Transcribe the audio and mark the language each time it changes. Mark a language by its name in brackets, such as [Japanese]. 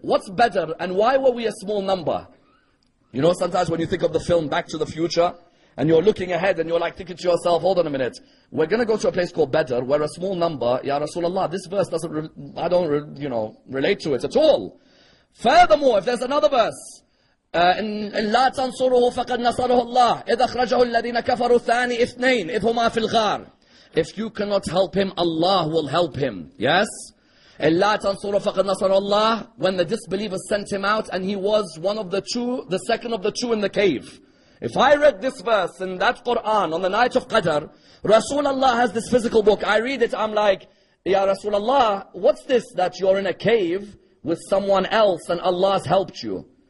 [English] What's Badr and why were we a small number?" You know, sometimes when you think of the film Back to the Future, and you're looking ahead and you're like thinking to yourself, hold on a minute, we're going to go to a place called Badr where a small number, Ya Rasulullah, this verse doesn't, I don't relate to it at all. Furthermore, if there's another verse, [Arabic] إن لا تنصره فقد نصره الله إذا أخرجه الذين كفروا ثاني اثنين إذ هما في الغار. [English] If you cannot help him, Allah will help him. Yes? [Arabic] إن لا تنصره فقد نصره الله. [English] When the disbelievers sent him out and he was one of the two, the second of the two in the cave. If I read this verse in that Quran on the night of Qadr, Rasulullah has this physical book. I read it, I'm like, Ya Rasulullah, what's this that you're in a cave with someone else and Allah's helped you?